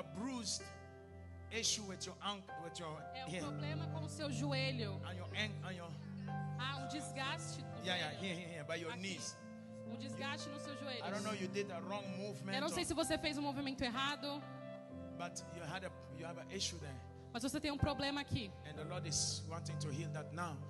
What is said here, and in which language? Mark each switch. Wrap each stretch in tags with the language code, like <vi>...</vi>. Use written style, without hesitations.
<en>a bruised issue with your ankle, with your</en> <pt>hip. Problema com o seu joelho.</pt> <en>And your ankle, and your.</en> <pt>Ah, desgaste.</pt> <en>Yeah. By your knees.</en> <pt>O desgaste no seu joelho.</pt> <en>I don't know. You did a wrong movement.</en> <pt>Eu não sei se você fez movimento errado.</pt> <en>But you have an issue there.</en> <pt>Mas você tem problema aqui.</pt> <en>And the Lord is wanting to heal that now.</en>